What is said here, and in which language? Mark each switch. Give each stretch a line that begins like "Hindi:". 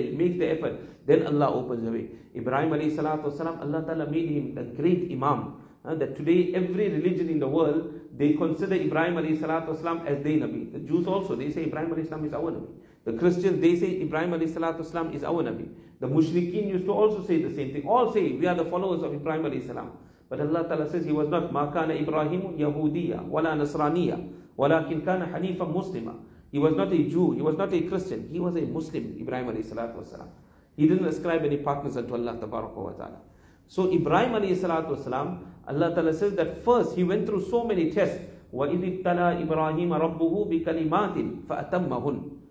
English: He makes the effort, then Allah opens the way. Ibrahim alayhi salatu wasalam, Allah Ta'ala made him the great imam. That today every religion in the world, they consider Ibrahim alayhi salatu wasalam as their Nabi. The Jews also, they say Ibrahim alayhi salam is our Nabi. The Christians, they say Ibrahim alayhi salatu wasalam is our Nabi. The Mushrikeen used to also say the same thing. All say, we are the followers of Ibrahim alayhi salam. But Allah Ta'ala says he was not
Arabic: ما كان إبراهيم يهوديا ولا نصرانيا ولكن كان حنيفا مسلما.
English: He was not a Jew, he was not a Christian, he was a Muslim, Ibrahim alayhi salatu wasalam. He didn't ascribe any partners unto Allah tabaraka wa ta'ala. So Ibrahim alayhi salatu wasalam, Allah Ta'ala says that first he went through so many tests.
Arabic: وَإِذْ ابْتَلَى إِبْرَاهِيمَ رَبُّهُ بِكَلِمَاتٍ فَأَتَمَّهُنْ.